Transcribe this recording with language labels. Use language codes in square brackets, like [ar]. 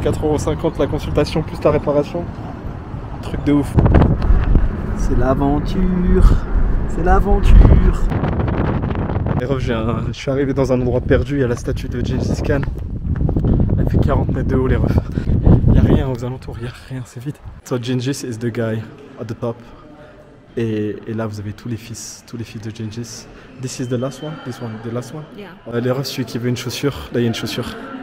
[fr] 4,50€ la consultation plus la réparation. Truc de ouf. C'est l'aventure. Les refs, je suis arrivé dans un endroit perdu, il y a la statue de Genghis Khan. Elle fait 40 mètres de haut les refs. Y'a rien aux alentours, y'a rien, c'est vide. [en] So Genghis is the guy at the top. [fr] Et là vous avez tous les fils de Genghis. [en] This is the last one, Yeah. [fr] Les refs, celui qui veut une chaussure, là y'a une chaussure.